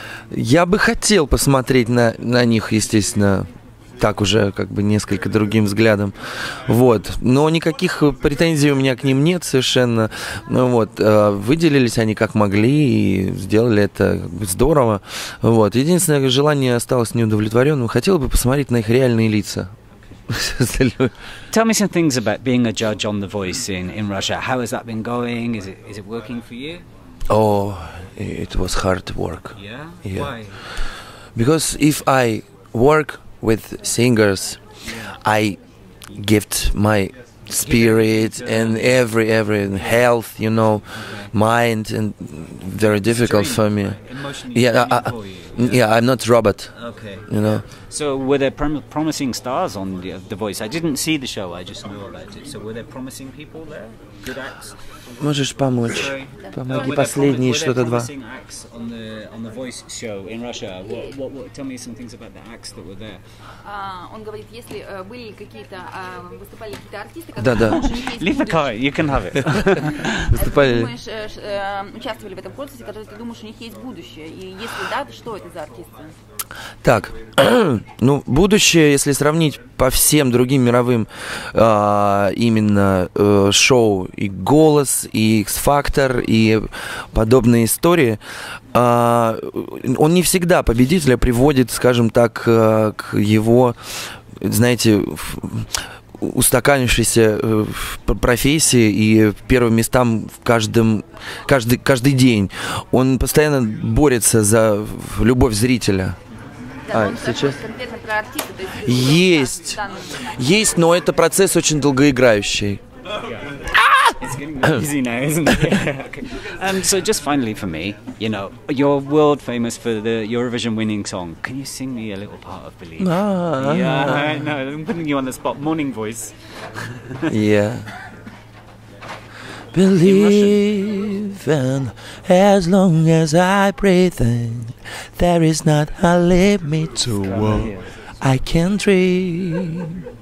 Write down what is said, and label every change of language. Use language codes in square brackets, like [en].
[ru] Я бы хотел посмотреть на них, естественно, так уже, как бы, несколько другим взглядом. Вот. Но никаких претензий у меня к ним нет совершенно. Ну, вот. Выделились они как могли и сделали это как бы здорово. Вот. Единственное желание осталось неудовлетворенным. Хотел бы посмотреть на их реальные лица. [en] Tell me some things about being a judge on The Voice in Russia. How has that been going? Is it working for you? Oh, it was hard work. Yeah? Why? Because if I work with singers, I give my spirit and every health, you know, mind, and very difficult for me. I'm not Robert. Okay. You know. So were there promising stars on the Voice? I didn't see the show. I just knew about it. So were there promising people there? Good acts. [ru] Можешь помочь? Помоги последние что-то два. [en] On the Voice show in Russia. What tell me some things about the acts that were there. [ru] Он говорит, если были какие-то выступали какие-то артисты, которые. Да. [en] Leave the car. You can have it. [ru] Выступали. Участвовали в этом конкурсе, которые ты думаешь, у них есть будущее? И если да, то что это за артисты? Так, ну, будущее, если сравнить по всем другим мировым, именно шоу и «Голос», и «Экс-фактор», и подобные истории, он не всегда победителя приводит, скажем так, к его, знаете, устаканившейся профессии и первым местам в каждый день. Он постоянно борется за любовь зрителя. Да, сейчас? Есть, но это процесс очень долгоиграющий. [en] Easy now, isn't it? Okay. So just finally for me, you know, you're world famous for the Eurovision winning song. Can you sing me a little part of Believe? No, I'm putting you on the spot. Morning voice. Yeah. Believe, and as long as I breathe in, there is not a limit to what I can dream.